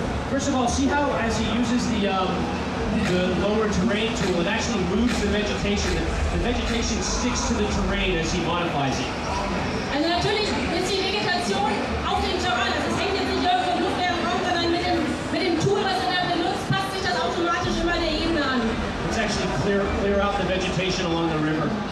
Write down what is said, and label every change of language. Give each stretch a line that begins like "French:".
English: First of all, see how as he uses the lower terrain tool, it actually moves the vegetation. The vegetation sticks to the terrain as he modifies it.
German: Also natürlich ist die Vegetation auf dem Terrain. Also es hängt jetzt nicht irgendwo im luftleeren Raum, sondern mit dem Tool, was er da benutzt, passt sich das automatisch immer der Ebene an.
English: It's actually clear out the vegetation along the river.